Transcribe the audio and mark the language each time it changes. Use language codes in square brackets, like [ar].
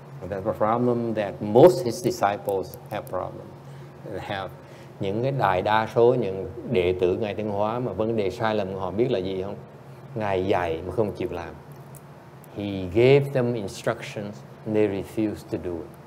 [en] The problem that most his disciples have problem. [vi] Have những cái đại đa số những đệ tử Ngài Tiên Hóa mà vấn đề sai lầm của họ biết là gì không? Ngài dạy mà không chịu làm. [en] He gave them instructions and they refused to do it.